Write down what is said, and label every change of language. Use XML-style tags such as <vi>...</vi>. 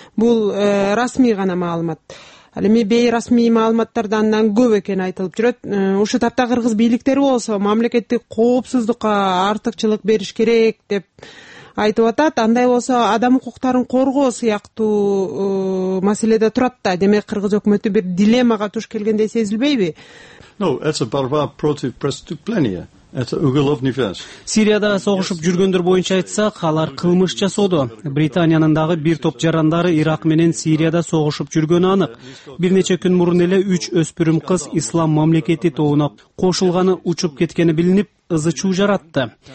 <ky>Бул расмий гана маалымат. Ал эми бейрасмий маалыматтарда андан көп экени айтылып жүрөт. Ушул тапта кыргыз бийликтери болсо мамлекеттик коопсуздукка артыкчылык бериш керек деп айтып атат. Андай болсо адам укуктарын коргоо сыяктуу маселеде турат да. Демек кыргыз өкмөтү бир дилеммага туш келгендей сезилбейби?</ky> <ru>Ну, это борьба против преступления. Это уголовный вес.</ru> <ky>Сирияда согушуп жүргөндөр боюнча айтсак, алар кылмыш жасоодо. Британиянын дагы бир топ жарандары Ирак менен Сирияда согушуп жүргөнү анык. Бир нече күн мурун эле 3 өспүрүм кыз Ислам мамлекети тобуна кошулганы учуп кеткени билинип, ызы чуу жаратты.</ky>